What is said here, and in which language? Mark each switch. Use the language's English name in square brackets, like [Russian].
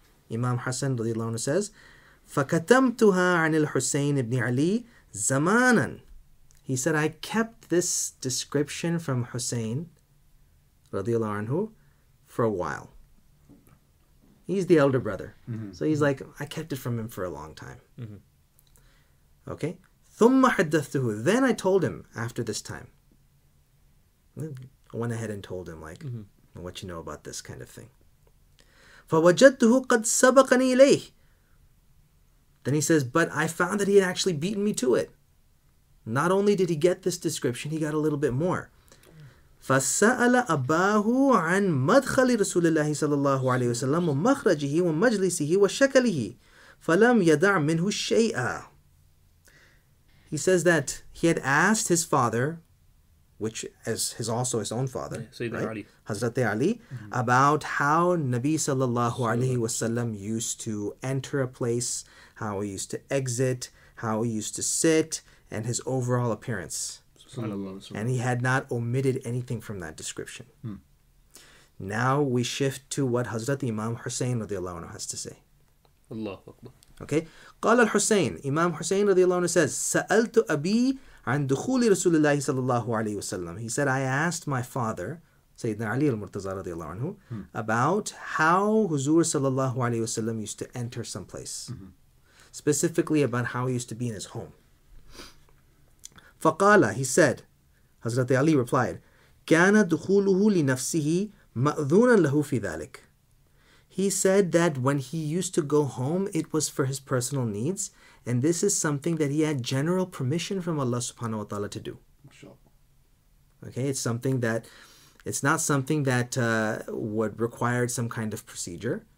[English] Imam Hassan radiallahu anhu says, [Arabic] فَكَتَمْتُهَا عَنِ الْحُسَيْنِ ibn Ali زَمَانًا. [English] He said, I kept this description from Hussein radiallahu anhu for a while. He's the elder brother. So he's like, I kept it from him for a long time. Okay, [Arabic] ثُمَّ حَدَّثْتُهُ. [English] Then I told him after this time. I went ahead and told him, like, what you know about this kind of thing. [Arabic] فَوَجَدْتُهُ قَدْ سَبَقَنِي إِلَيْهِ. [English] Then he says, but I found that he had actually beaten me to it. Not only did he get this description, he got a little bit more. [Arabic] فَسَأَلَ أَبَاهُ عَنْ مَدْخَلِ رَسُولِ اللَّهِ صَلَى اللَّهُ عَلَيْهِ وَسَلَّمُ وَمَخْرَجِهِ وَمَجْلِسِهِ وَشَكَلِهِ فَلَمْ يَدَعْ مِنْهُ شَيْئًا. [English] He says that he had asked his father, which is his also his own father, Hazrat Ali, about how Nabi sallallahu alayhi wa sallam used to enter a place, how he used to exit, how he used to sit, and his overall appearance. And he had not omitted anything from that description. Now we shift to what Hazrat Imam Hussein radiallahu anhu has to say. Allahu Akbar. Okay, [Arabic] قال الحسين, [English] Imam Hussein radiallahu anhu says, [Arabic] سألت أبي عن دخول رسول الله صلى الله عليه وسلم. [English] He said, I asked my father, Sayyidina Ali al-Murtaza radiallahu anhu, about how Huzur sallallahu alayhi wasallam used to enter someplace, specifically about how he used to be in his home. [Arabic] فقال, [English] he said, Hazrat Ali replied, [Arabic] كان دخوله لنفسه مأذونا له في ذلك. [English] He said that when he used to go home, it was for his personal needs. And this is something that he had general permission from Allah subhanahu wa ta'ala to do. Okay, it's something that, it's not something that would require some kind of procedure.